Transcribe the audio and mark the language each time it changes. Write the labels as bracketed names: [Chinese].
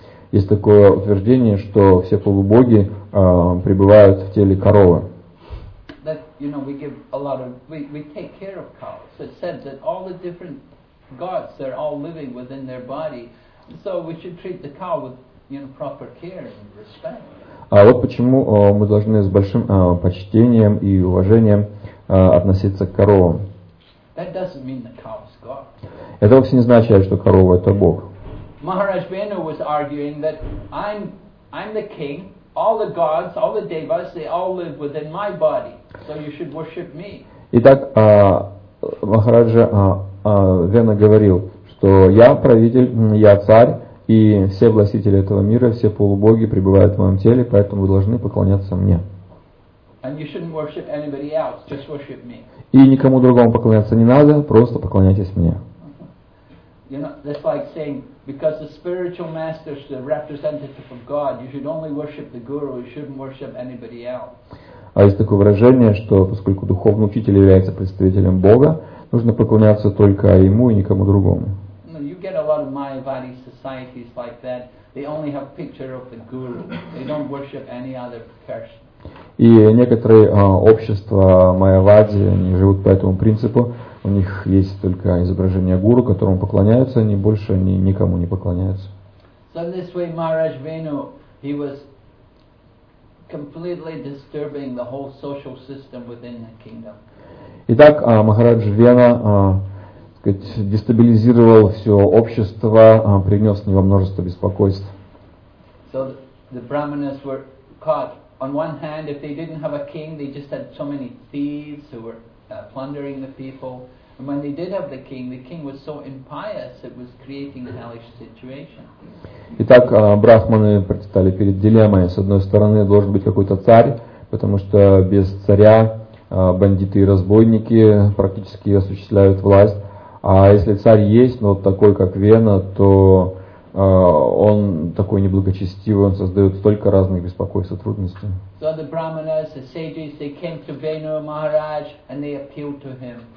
[Russian] Есть такое утверждение, что все полубоги пребывают в теле коровы. [English] That, you know, we give a lot of, we take care of cows. It said that all the different gods, they're all living within their body. So we should treat the cow with, you know, proper care and respect. [Russian] А вот почему мы должны с большим почтением и уважением относиться к коровам. [English] That doesn't mean the cow is God. [Russian] Это вовсе не означает, что корова это Бог. [English] Maharaj Venu was arguing that I'm the king, all the gods, all the devas, they all live within my body. So you should worship me. [Russian] Итак, Махараджа Вена говорил, что я правитель, я царь, и все властители этого мира, все полубоги пребывают в моем теле, поэтому вы должны поклоняться мне. [English] And you shouldn't worship anybody else, just worship me. [Russian] И никому другому поклоняться не надо, просто поклоняйтесь мне. [English] You know, that's like saying, because the spiritual master is the representative of God, you should only worship the guru, you shouldn't worship anybody else. [Russian] А есть такое выражение, что поскольку духовный учитель является представителем Бога, нужно поклоняться только ему и никому другому. [English] You get a lot of Mayavadi societies like that. They only have picture of the guru. They don't worship any other person. [Russian] И некоторые общества Майявади, они живут по этому принципу, у них есть только изображение гуру, которому поклоняются, они больше они никому не поклоняются. [English] So this way, Maharaj Venu, he was completely disturbing the whole social system within the kingdom. [Russian] Итак, Махарадж Вена, так сказать, дестабилизировал все общество, принес него множество беспокойств. [English] So the brahmanas were caught. On one hand, if they didn't have a king, they just had so many thieves who were plundering the people. And when they did have the king was so impious, it was creating a hellish situation. [Russian] Итак, брахманы предстали перед дилеммой. С одной стороны, должен быть какой-то царь, потому что без царя бандиты и разбойники практически осуществляют власть. А если царь есть, но такой как Вена, то он такой неблагочестивый, он создает столько разных беспокойств и трудностей.